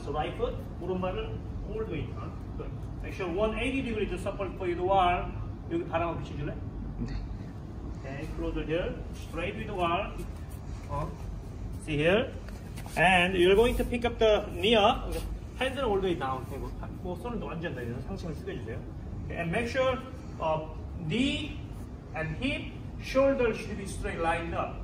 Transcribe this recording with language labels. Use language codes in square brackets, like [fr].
[en] So, right foot, [ko] 오른발을 [en] all the way. Huh? Good. Make sure 180 degrees to support for you the wall. [ko] 여기 바람을 비춰줄래? 네. [en] Okay, close here. Straight with the wall. See here. And you're going to pick up the knee up. Hands are all the way down. [ko] 잡고 손도 완전 내려서 상체를 숙여주세요. [en] And make sure knee and hip, shoulder should be straight lined up.